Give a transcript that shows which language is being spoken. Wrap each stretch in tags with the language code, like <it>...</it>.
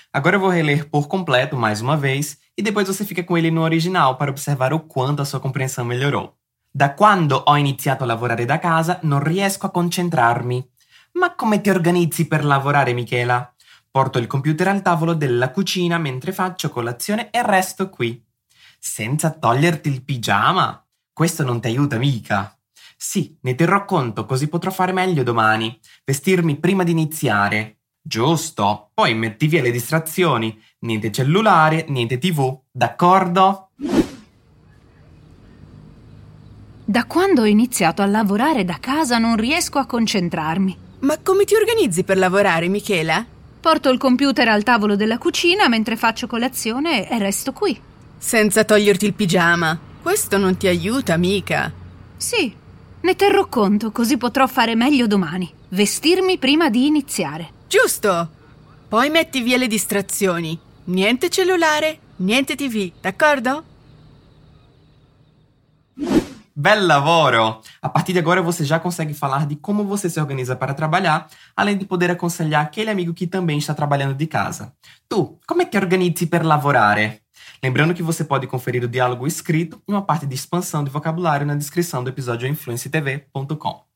<pt>Agora eu vou reler por completo mais uma vez e depois você fica com ele no original para observar o quanto a sua compreensão melhorou.</pt> <it>Da quando ho iniziato a lavorare da casa, non riesco a concentrarmi. Ma come ti organizzi per lavorare, Michela? Porto il computer al tavolo della cucina mentre faccio colazione e resto qui. Senza toglierti il pigiama? Questo non ti aiuta mica. Sì, ne terrò conto, così potrò fare meglio domani. Vestirmi prima di iniziare. Giusto. Poi metti via le distrazioni. Niente cellulare, niente TV. D'accordo? Da quando ho iniziato a lavorare da casa non riesco a concentrarmi. Ma come ti organizzi per lavorare, Michela? Porto il computer al tavolo della cucina mentre faccio colazione e resto qui. Senza toglierti il pigiama. Questo non ti aiuta, mica. Sì. Ne terrò conto, così potrò fare meglio domani. Vestirmi prima di iniziare. Giusto! Poi metti via le distrazioni. Niente cellulare, niente TV, d'accordo? Bel lavoro!</it> <pt>A partir de agora você já consegue falar de como você se organiza para trabalhar, além de poder aconselhar aquele amigo que também está trabalhando de casa.</pt> <it>Tu, come ti organizzi per lavorare?</it> <pt>Lembrando que você pode conferir o diálogo escrito e uma parte de expansão de vocabulário na descrição do episódio em influencetv.com.</pt>